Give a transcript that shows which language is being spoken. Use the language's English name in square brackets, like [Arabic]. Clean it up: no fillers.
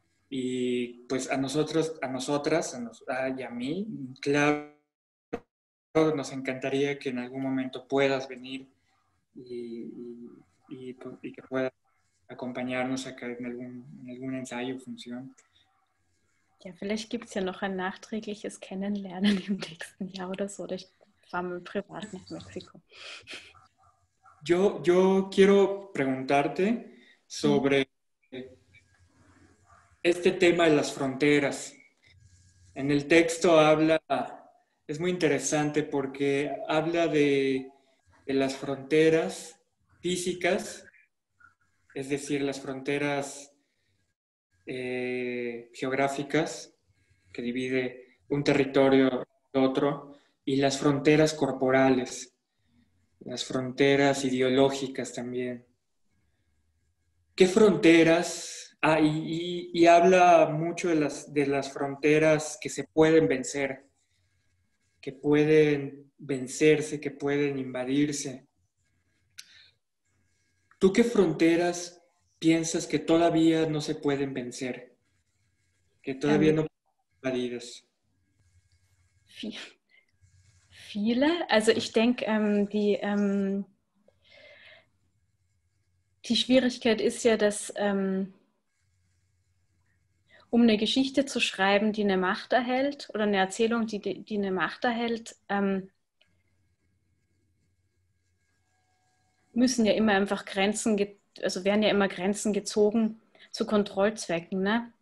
[Spanish] Y pues a mí, claro, nos encantaría que en algún momento puedas venir y que puedas acompañarnos acá en algún ensayo o función. [German] Ja, vielleicht gibt es ja noch ein nachträgliches Kennenlernen im nächsten Jahr oder so. Oder ich fahre mal privat nach Mexiko. [Spanish] Yo quiero preguntarte sobre este tema de las fronteras. En el texto es muy interesante porque habla de las fronteras físicas, es decir, las fronteras geográficas que divide un territorio de otro, y las fronteras corporales. Las fronteras ideológicas también. ¿Qué fronteras? Ah, y habla mucho de las fronteras que se pueden vencer, que pueden vencerse, que pueden invadirse. ¿Tú qué fronteras piensas que todavía no se pueden vencer, que todavía no pueden invadirse? [German] Viele. Also ich denke, die Schwierigkeit ist ja, dass um eine Geschichte zu schreiben, die eine Macht erhält, oder eine Erzählung, die eine Macht erhält, müssen ja immer einfach also werden ja immer Grenzen gezogen zu Kontrollzwecken, ne?